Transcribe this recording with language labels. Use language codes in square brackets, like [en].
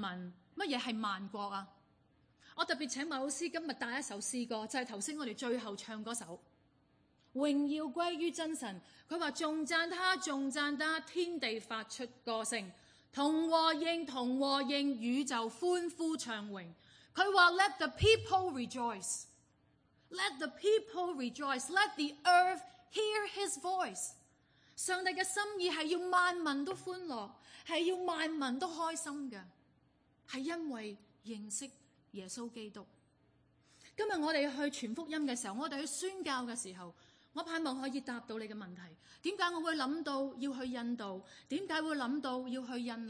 [zh] 什么是万国啊？我特别请马老师今天带一首诗歌，就是刚才我们最后唱的那首《荣耀归于真神》。他说，颂赞他，颂赞他，天地发出歌声，同和应，同和应，宇宙欢呼唱荣。他说 [en] Let the people rejoice, Let the people rejoice, Let the earth hear his voice。 [zh] 上帝的心意是要万民都欢乐，是要万民都开心的，是因为认识耶稣基督。今天我们去传福音的时候，我们去宣教的时候，我盼望可以答到你的问题。为什么我会想到要去印度？为什么会想到要去印尼？